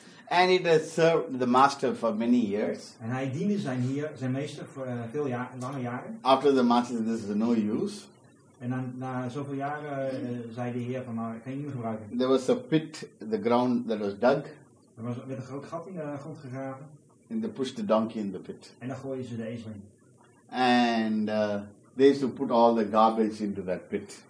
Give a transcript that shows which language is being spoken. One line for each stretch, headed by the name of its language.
English: And it has served the master for many years.
Dutch: And hij diende zijn meester voor veel lange jaren.
English: After the master said, this is no use.
Dutch: En dan na zoveel jaren zei de heer van, ik kan je niet gebruiken.
English: There was a pit, the ground that was dug.
Dutch: Er was met een groot gat in de grond gegraven.
English: And they pushed the donkey in the pit.
Dutch: En dan gooien ze de ezel in.
English: And they used to put all the garbage into that pit.